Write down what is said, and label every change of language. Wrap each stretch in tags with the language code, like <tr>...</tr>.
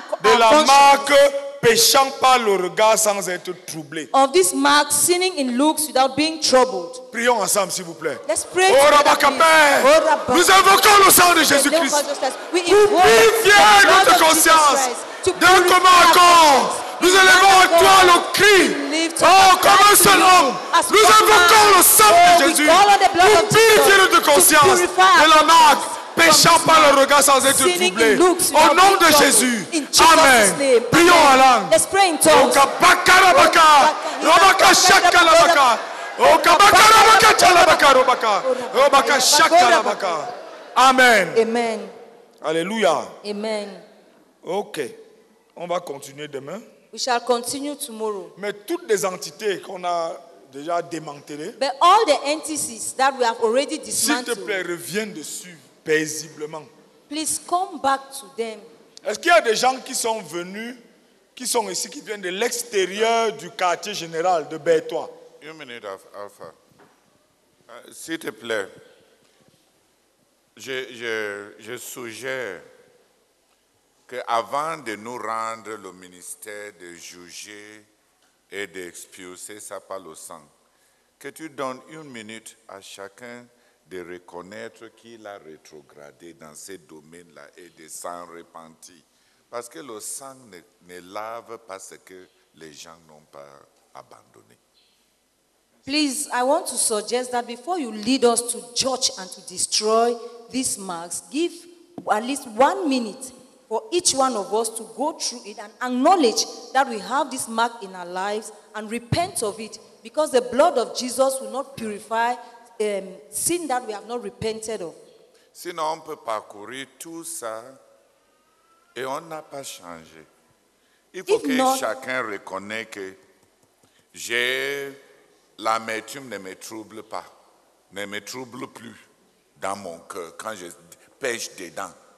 <fr>de la marque péchant par le regard sans être troublé.</fr> <en>Of this mark sinning in looks without being troubled.</en> <fr>Prions ensemble s'il vous plaît.</fr> <en>Let's pray together.</en> <fr>Nous invoquons le sang de Jésus-Christ. Purifier notre conscience. D'un commun accord. Nous élevons à toi le cri. Oh, comme un seul homme. Nous invoquons le sang de Jésus. Pour purifier notre conscience. De la marque péchant par le regard sans être troublé. Au nom de Jésus. Amen. Prions en langue.</fr> <en>Let's pray in tongues. Amen. Amen. Alléluia. Amen.</en> <fr>Ok. On va continuer demain.</fr> <en>We shall continue tomorrow.</en> <fr>Mais toutes les entités qu'on a déjà démantelées.</fr> <en>But all the entities that we have already dismantled.</en> <fr>S'il te plaît, reviens dessus paisiblement.</fr> <en>Please come back to them.</en> <fr>Est-ce qu'il y a des gens qui sont venus, qui sont ici, qui viennent de l'extérieur du quartier général de Bertois? Une minute, Alpha. S'il te plaît, je suggère qu'avant de nous rendre le ministère de juger et d'expulser ça par le sang, que tu donnes une minute à chacun de reconnaître qu'il a rétrogradé dans ce domaine-là et de s'en repentir. Parce que le sang ne lave pas ce que les gens n'ont pas abandonné.</fr> <en>Please, I want to suggest that before you lead us to judge and to destroy these marks, give at least 1 minute for each one of us to go through it and acknowledge that we have this mark in our lives and repent of it, because the blood of Jesus will not purify sin that we have not repented of.</en> <fr>Sinon, on peut parcourir tout ça et on n'a pas changé. Il faut que chacun reconnaisse que j'ai l'amertume ne me trouble pas, ne me trouble plus dans mon cœur quand je pêche dedans.</fr>